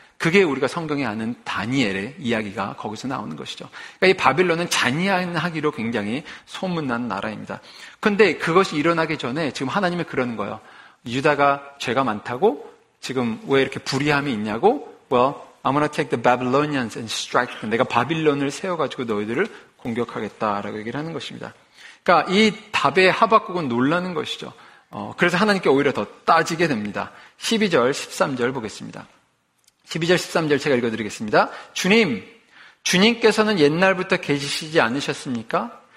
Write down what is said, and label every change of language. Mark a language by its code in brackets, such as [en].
[ko] 그게 우리가 성경에 아는 다니엘의 이야기가 거기서 나오는 것이죠. 그러니까 이 바빌론은 잔인하기로 굉장히 소문난 나라입니다. 그런데 그것이 일어나기 전에 지금 하나님이 그러는 거예요. 유다가 죄가 많다고? 지금 왜 이렇게 불의함이 있냐고? [en] Well, I'm gonna take the Babylonians and strike them. [ko] 내가 바빌론을 세워가지고 너희들을 공격하겠다라고 얘기를 하는 것입니다. 그러니까 이 답에 하박국은 놀라는 것이죠. 그래서 하나님께 오히려 더 따지게 됩니다. 12절, 13절 보겠습니다. 12절, 13절 제가 읽어드리겠습니다. 주님, 주님께서는 옛날부터 계시지 않으셨습니까?